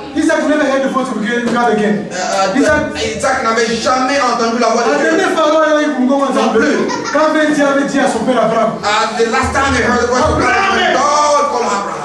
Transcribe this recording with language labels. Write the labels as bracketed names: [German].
[English] Isaac never heard the voice of God again. [French] Isaac n'avait jamais entendu la voix de Dieu. Quand Ben avait dit à son père Abraham. [English] The last time he heard the voice of God, God called Abraham.